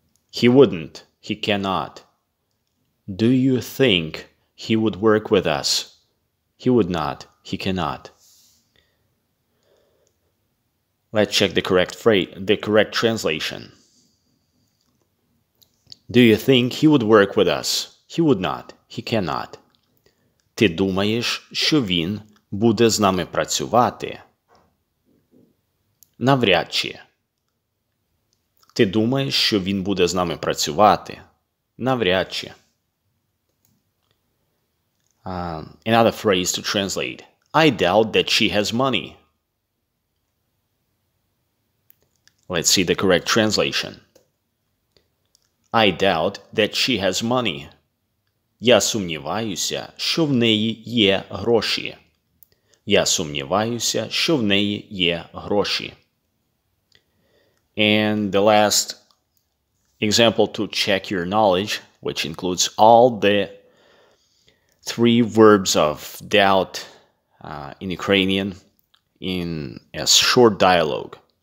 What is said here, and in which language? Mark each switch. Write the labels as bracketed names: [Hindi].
[English] He wouldn't. He cannot. Do you think he would work with us? He would not. He cannot. Let's check the correct phrase, the correct translation. Do you think he would work with us? He would not. He cannot. [Ukrainian] Ти думаєш, що він буде з нами працювати? Навряд чи. Ти думаєш, що він буде з нами працювати? Навряд чи. [English] Another phrase to translate. I doubt that she has money. Let's see the correct translation. I doubt that she has money. [Ukrainian] Я сумніваюся, що в неї є гроші. Я сумніваюся, що в неї є гроші. [English] And the last example to check your knowledge, which includes all the three verbs of doubt in Ukrainian in a short dialogue.